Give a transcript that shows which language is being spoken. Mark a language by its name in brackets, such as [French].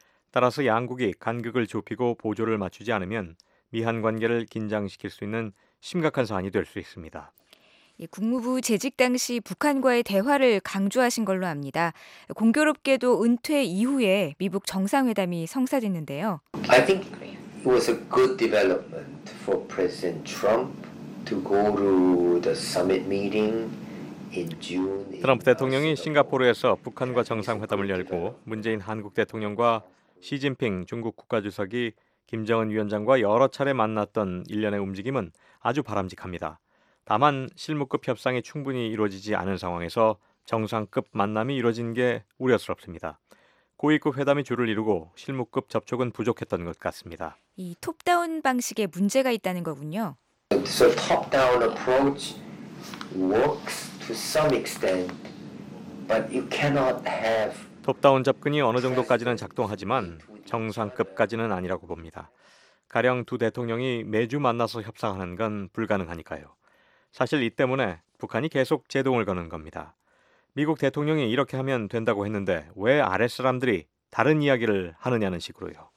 [Korean] 따라서 양국이 간극을 좁히고 보조를 맞추지 않으면 미한 관계를 긴장시킬 수 있는 심각한 사안이 될 수 있습니다. 예, 국무부 재직 당시 북한과의 대화를 강조하신 걸로 압니다. 공교롭게도 은퇴 이후에 미북 정상회담이 성사됐는데요. [English] I think it was a good development for President Trump to go to the summit meeting in June. [Korean] 트럼프 대통령이 싱가포르에서 북한과 정상회담을 열고 문재인 한국 대통령과 시진핑 중국 국가주석이 김정은 위원장과 여러 차례 만났던 일련의 움직임은 아주 바람직합니다. 다만 실무급 협상이 충분히 이루어지지 않은 상황에서 정상급 만남이 이루어진 게 우려스럽습니다. 고위급 회담이 주를 이루고 실무급 접촉은 부족했던 것 같습니다. 이 톱다운 방식에 문제가 있다는 거군요. [English] So top-down approach works to some extent, but you cannot have [Korean] 톱다운 접근이 어느 정도까지는 작동하지만 정상급까지는 아니라고 봅니다. 가령 두 대통령이 매주 만나서 협상하는 건 불가능하니까요. 사실 이 때문에 북한이 계속 제동을 거는 겁니다. 미국 대통령이 이렇게 하면 된다고 했는데 왜 아래 사람들이 다른 이야기를 하느냐는 식으로요.